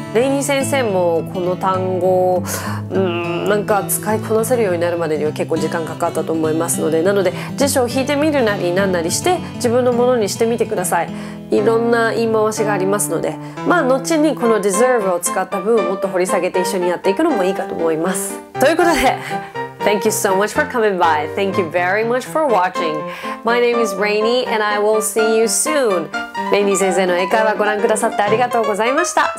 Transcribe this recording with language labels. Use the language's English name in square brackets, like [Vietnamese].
[Japanese] レイニー先生もこの単語をなんか使いこなせるようになるまでには結構時間かかったと思いますので、なので辞書を引いてみるなりなんなりして自分のものにしてみてください。いろんな言い回しがありますので、まあ後にこの deserve を使った分をもっと掘り下げて一緒にやっていくのもいいかと思います。ということで、 [English] Thank you so much for coming by. Thank you very much for watching. My name is Reiny and I will see you soon. [Japanese] Reiny 先生の英会話ご覧くださってありがとうございました。